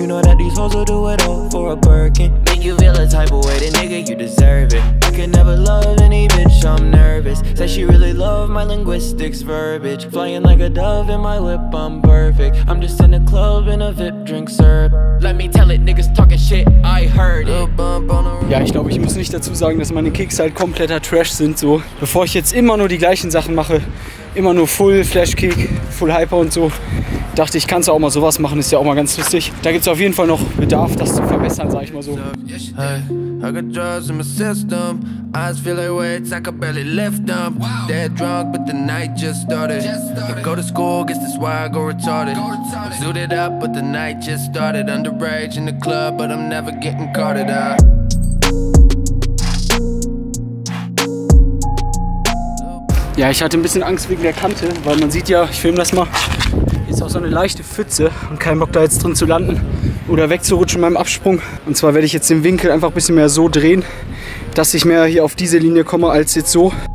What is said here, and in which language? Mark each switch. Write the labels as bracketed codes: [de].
[en] You know that these hoes will do it all for a Birkin. Make you feel a type of way, the nigga, you deserve it. I can never love any bitch, I'm nervous. Said she really love my linguistics verbiage. Flying like a dove in my whip, I'm perfect. I'm just in a club in a VIP drink syrup. Let me tell it, niggas talking shit, I heard it. [de] Ja, ich glaube, ich muss nicht dazu sagen, dass meine Kicks halt kompletter Trash sind, so. Bevor ich jetzt immer nur die gleichen Sachen mache, immer nur Full Flash Kick, Full Hyper und so, dachte ich, kannst du auch mal sowas machen, ist ja auch mal ganz lustig. Da gibt es auf jeden Fall noch Bedarf, das zu verbessern, sag ich mal so. [en] Hey, I got drugs in my system, eyes feel like weights, I could barely lift them. Dead drunk, but the night just started. I go to school, guess that's why I go retarded. I'm suited up, but the night just started. Underage in the club, but I'm never getting carted out. [de] Ja, ich hatte ein bisschen Angst wegen der Kante, weil man sieht ja, ich filme das mal, ist auch so eine leichte Pfütze und kein Bock da jetzt drin zu landen oder wegzurutschen in meinem Absprung. Und zwar werde ich jetzt den Winkel einfach ein bisschen mehr so drehen, dass ich mehr hier auf diese Linie komme als jetzt so.